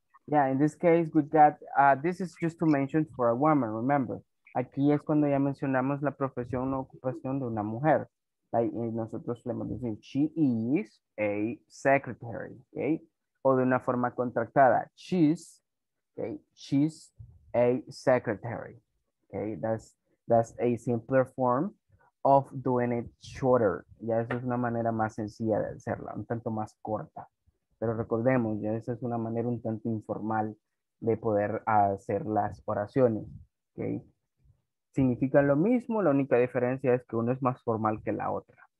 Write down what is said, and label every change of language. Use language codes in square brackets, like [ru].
[en] Yeah, in this case, we got, this is just to mention for a woman, remember. [es] Aquí es cuando ya mencionamos la profesión o ocupación de una mujer. [en] Like, [es] nosotros le hemos dicho, [en] she is a secretary, okay? [es] O de una forma contractada, [en] she's, okay? She's a secretary, okay? That's a simpler form of doing it shorter. [es] Ya eso es una manera más sencilla de hacerla, un tanto más corta. Pero recordemos, ya esa es una manera un tanto informal de poder hacer las oraciones. ¿Okay? Significa lo mismo, la única diferencia es que uno es más formal que la otra.